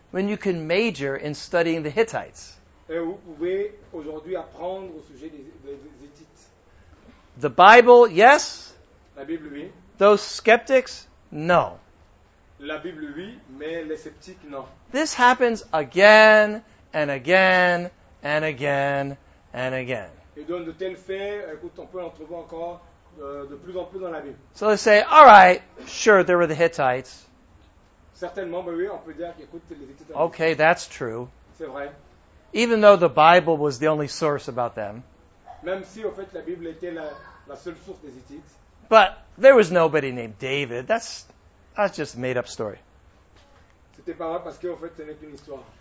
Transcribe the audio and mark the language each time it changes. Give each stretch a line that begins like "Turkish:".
English: When you can major in studying the Hittites.
French: Et vous pouvez aujourd'hui apprendre au sujet des Hittites.
English: The Bible, yes.
French: La Bible, oui.
English: Those skeptics, no.
French: La Bible, oui, mais les sceptiques, non.
English: This happens again and again and again and again.
French: Et donc de tels faits, écoute, on peut en trouver encore de plus en plus dans la Bible.
English: So they say, all right, sure, there were the Hittites.
French: Certainement, mais oui, on peut dire, écoute, les Hittites.
English: Okay, that's true.
French: C'est vrai.
English: Even though the Bible was the only source about them.
French: Même si, en fait, la Bible était la seule source des Hittites.
English: But there was nobody named David. That's just a made-up story.
French: C'était pas vrai parce que, en fait, ce n'est qu'une histoire.